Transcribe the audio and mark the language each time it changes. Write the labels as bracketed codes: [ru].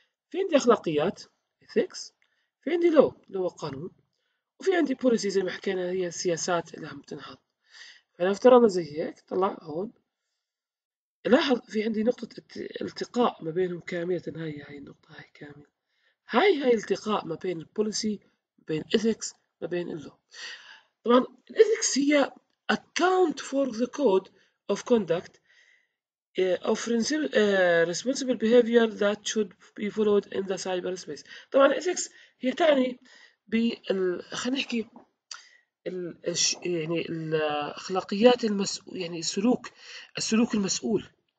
[ar] في عندي أخلاقيات إثيكس، في عندي لو اللي هو قانون، وفي عندي بوليسي زي ما حكينا هي السياسات اللي عم تنحط. فلو افترضنا زي هيك، طلع هون لاحظ في عندي نقطة التقاء ما بينهم كاملة، هاي النقطة هاي كاملة، هاي التقاء ما بين البوليسي، ما بين الإثكس، ما بين اللو. [en] طبعا الإثكس هي account for the code of conduct of responsible behavior that should be followed in the cyber space. [ar] طبعا الإثكس هي تعني خلينا نحكي يعني الأخلاقيات يعني السلوك المسؤول.